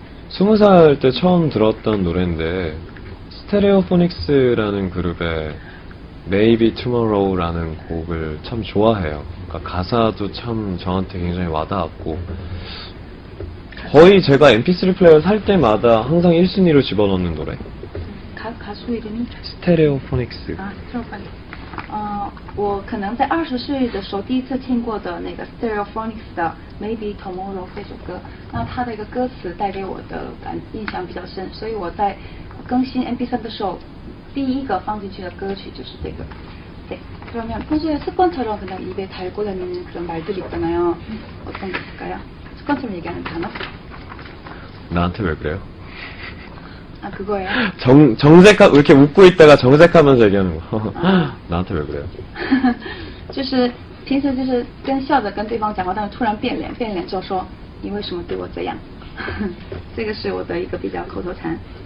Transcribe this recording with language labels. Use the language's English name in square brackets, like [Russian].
[Korean] 스무 살때 처음 들었던 노래인데 스테레오포닉스라는 그룹의 Maybe Tomorrow라는 곡을 참 좋아해요. 그러니까 가사도 참 저한테 굉장히 와닿았고 거의 제가 MP3 플레이어 살 때마다 항상 1순위로 집어넣는 노래. 가수 이름이? 스테레오포닉스. 아, 스테레오포닉스. [Chinese] 我可能在20岁的时候第一次听过的那个 Stereophonics 的 Maybe Tomorrow 这首歌，那它的一个歌词带给我的印象比较深，所以我在更新 MP3 的时候，第一个放进去的歌曲就是这个。 [Korean] 对，그러면평소에습관처럼그냥입에달고 다니는 그런 말들이 있잖아요，어떤게있을까요？ 습관처럼 얘기하는 단어? 나한테 왜 그래요? 아, 그거예요? 정색하, 이렇게 웃고 있다가 정색하면서 얘기하는 거. 나한테 왜 그래요? [Chinese] 就是平时就是跟笑着跟对方讲话，但是突然变脸，变脸就说你为什么对我这样？这个是我的一个比较口头禅。